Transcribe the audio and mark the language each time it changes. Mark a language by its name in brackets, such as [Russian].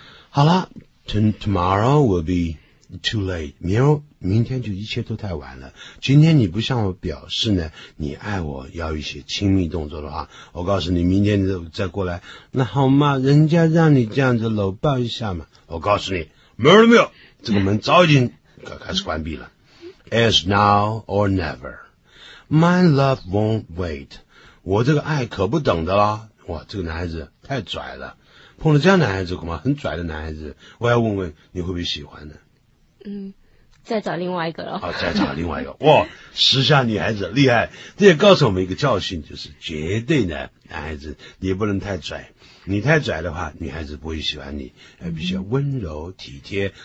[Chinese] 好了 [English] tomorrow will be too late， [Chinese] 明天就一切都太晚了。今天你不向我表示呢，你爱我要一些亲密动作的话，我告诉你，明天你再过来，那好吗？人家让你这样子搂抱一下嘛。我告诉你，门了没有？这个门早已经开始关闭了。 [English] It's now or never， my love won't wait， [Chinese] 我这个爱可不等的啦。哇，这个男孩子太拽了，碰到这样男孩子恐怕很拽的男孩子，我要问问你会不会喜欢呢？再找另外一个了。好，再找另外一个。哇，时下女孩子厉害，这也告诉我们一个教训，就是绝对的男孩子也不能太拽，你太拽的话女孩子不会喜欢你，还必须要温柔体贴。